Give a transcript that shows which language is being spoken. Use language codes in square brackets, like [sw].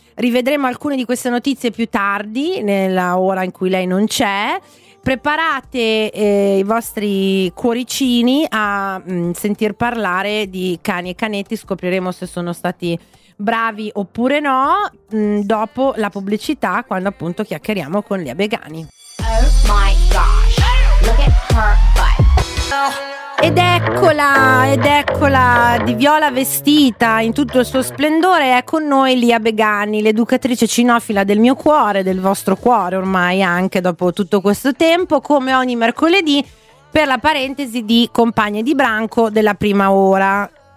[it] Rivedremo alcune di queste notizie più tardi, nella ora in cui lei non c'è. Preparate i vostri cuoricini a sentir parlare di cani e canetti. Scopriremo se sono stati bravi oppure no dopo la pubblicità, quando appunto chiacchieriamo con Lia Begani. [en] Oh my gosh, look at her butt. Oh. [it] Ed eccola, di viola vestita in tutto il suo splendore, è con noi Lia Begani, l'educatrice cinofila del mio cuore, del vostro cuore ormai anche dopo tutto questo tempo, come ogni mercoledì per la parentesi di Compagne di Branco della prima ora.